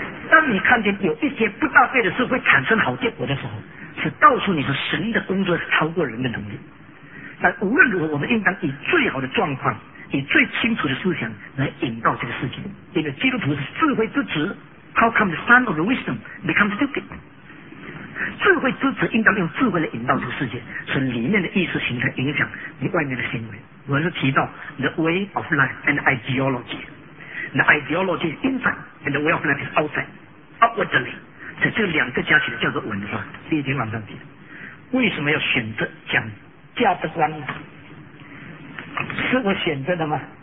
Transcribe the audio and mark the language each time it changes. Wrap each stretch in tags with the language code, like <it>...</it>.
<zh>当你看见有一些不大对的事会产生好结果的时候，是告诉你说神的工作是超过人的能力。但无论如何，我们应当以最好的状况，以最清楚的思想来引导这个事情。因为基督徒是智慧之子。</zh> <en>How come the son of the wisdom becomes stupid?</en> <zh>智慧之子应当用智慧来引导这个世界，使里面的意识形态影响你外面的行为。我是提到</zh> <en>the way of life and ideology. The ideology is inside and the way of life is outside, outwardly.</en> <zh>在这两个加起来叫做文化，已经往上提了。为什么要选择讲价值观呢？是我选择的吗？</zh>